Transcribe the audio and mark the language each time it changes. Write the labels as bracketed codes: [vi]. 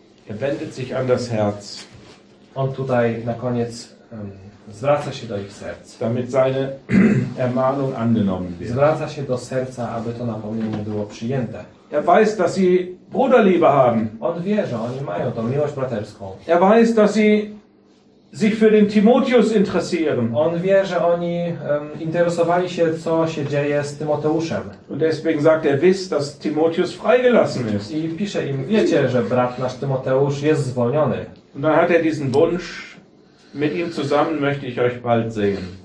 [de] Er wendet sich an das Herz. [pl] On tutaj na koniec zwraca się do ich serc. [de] Damit seine Ermahnung angenommen wird. [pl] Zwraca się do serca, aby to napomnienie było przyjęte. [de] Er weiß, dass sie Bruderliebe haben. [pl] On wie, że oni mają tą miłość braterską. [de] Er weiß, dass sie sich für den Timotheus interessieren. [pl] On wie, że oni interesowali się, co się dzieje z Tymoteuszem. [de] Und deswegen sagt er, wisst, dass Timotheus freigelassen ist. [pl] I pisze im, wiecie, że brat nasz Tymoteusz jest zwolniony. [de] Und dann hat er diesen Wunsch, mit ihm zusammen möchte ich euch bald sehen.